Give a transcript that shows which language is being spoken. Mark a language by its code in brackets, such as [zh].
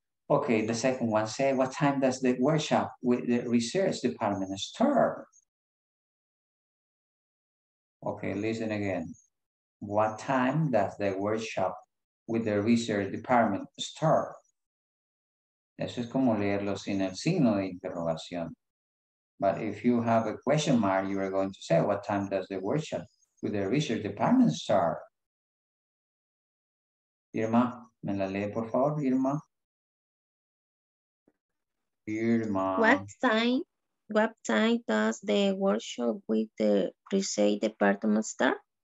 [en] Okay, the second one say, what time does the workshop with the research department start? Okay, listen again. What time does the workshop with the research department start? [es] Eso es como leerlo sin el signo de interrogación. [en] But if you have a question mark, you are going to say, what time does the workshop with the research department start? [es] Irma, me la lee, por favor, Irma. Irma. [en] What time does the workshop with the research department start?